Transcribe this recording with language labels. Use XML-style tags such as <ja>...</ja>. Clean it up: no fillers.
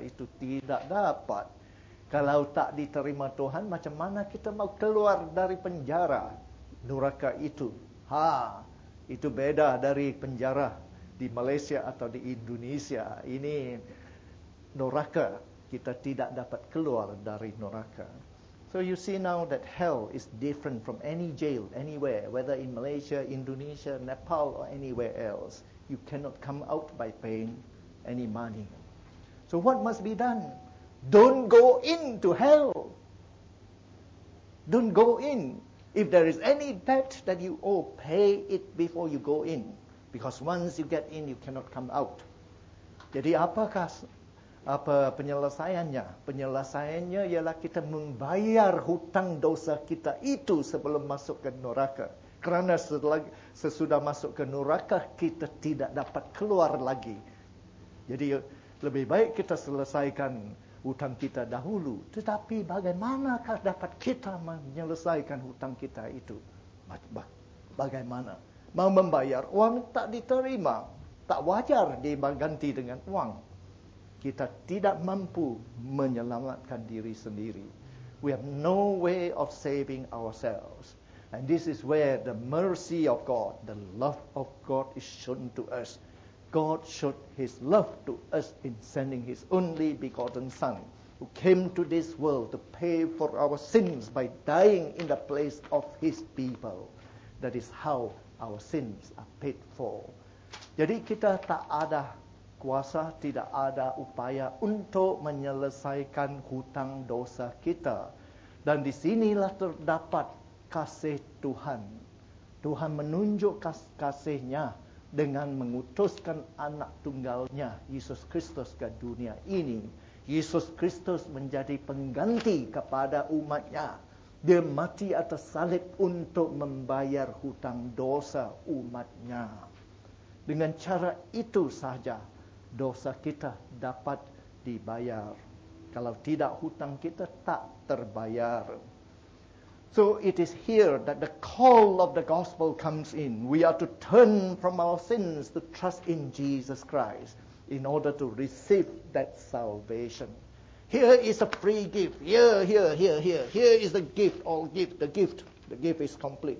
<ms>Itu tidak dapat. Kalau tak diterima Tuhan, macam mana kita mau keluar dari penjara neraka itu? Ha, itu beda dari penjara di Malaysia atau di Indonesia. Ini neraka. Kita tidak dapat keluar dari neraka.</ms> <en>So you see now that hell is different from any jail, anywhere, whether in Malaysia, Indonesia, Nepal, or anywhere else. You cannot come out by paying any money. So what must be done? Don't go into hell. Don't go in. If there is any debt that you owe, pay it before you go in. Because once you get in, you cannot come out.</en> <ms>Jadi apakah apa penyelesaiannya? Penyelesaiannya ialah kita membayar hutang dosa kita itu sebelum masuk ke neraka. Kerana sesudah masuk ke neraka, kita tidak dapat keluar lagi. Jadi lebih baik kita selesaikan hutang kita dahulu. Tetapi bagaimanakah dapat kita menyelesaikan hutang kita itu? Bagaimana? Mau membayar uang tak diterima. Tak wajar diganti dengan uang. Kita tidak mampu menyelamatkan diri sendiri.</ms> <en>We have no way of saving ourselves. And this is where the mercy of God, the love of God is shown to us. God showed his love to us in sending his only begotten Son, who came to this world to pay for our sins by dying in the place of his people. That is how our sins are paid for.</en> <ms>Jadi kita tak ada kuasa, tidak ada upaya untuk menyelesaikan hutang dosa kita. Dan disinilah terdapat kasih Tuhan. Tuhan menunjuk kasih-Nya dengan mengutuskan anak tunggalnya, Yesus Kristus, ke dunia ini. Yesus Kristus menjadi pengganti kepada umat-Nya. Dia mati atas salib untuk membayar hutang dosa umat-Nya. Dengan cara itu saja, dosa kita dapat dibayar. Kalau tidak, hutang kita tak terbayar.</ms> <en>So it is here that the call of the gospel comes in. We are to turn from our sins to trust in Jesus Christ in order to receive that salvation. Here is a free gift. Here. Here is the gift, all gift, the gift. The gift is complete.</en>